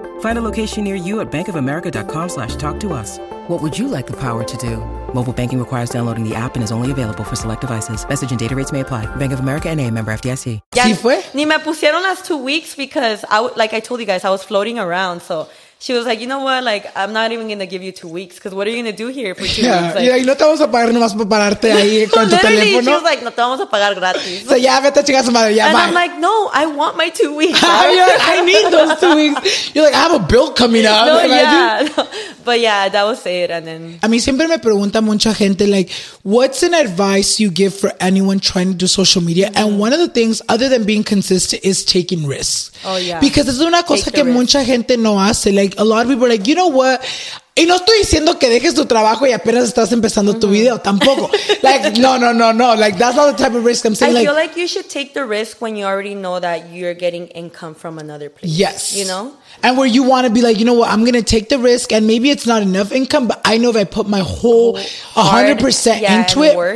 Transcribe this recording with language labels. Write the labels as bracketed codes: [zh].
[en] Find a location near you at bankofamerica.com/talktous. What would you like the power to do? Mobile banking requires downloading the app and is only available for select devices. Message and data rates may apply. Bank of America NA, member FDIC. [es] Yeah, ¿sí fue? [en] Ni me pusieron las 2 weeks because, like I told you guys, I was floating around. So she was like, you know what? Like, I'm not even going to give you 2 weeks because what are you going to do here for 2 weeks? [es] Yeah, like, y no te vamos a pagar nomás para pararte ahí con tu teléfono. Literally, she was like, no te vamos a pagar gratis. So ya, vete a chingar su madre, ya, [en] And I'm like, no, I want my 2 weeks. I need those 2 weeks. You're like, I have a bill coming up. No, but yeah, that was it. And then, a mí siempre me pregunta mucha gente, like, what's an advice you give for anyone trying to do social media? Mm-hmm. And one of the things, other than being consistent, is taking risks. Oh, yeah. [es] Because es una cosa que mucha gente no hace. [en] Like, a lot of people are like, you know what? [es] Y no estoy diciendo que dejes tu trabajo y apenas estás empezando mm-hmm. tu video. Tampoco. Like, no. [en] Like, that's not the type of risk I'm saying. I feel like you should take the risk when you already know that you're getting income from another place. Yes. You know? And where you want to be like, you know what? I'm going to take the risk. And maybe it's not enough income, but I know if I put my whole 100% into it, work.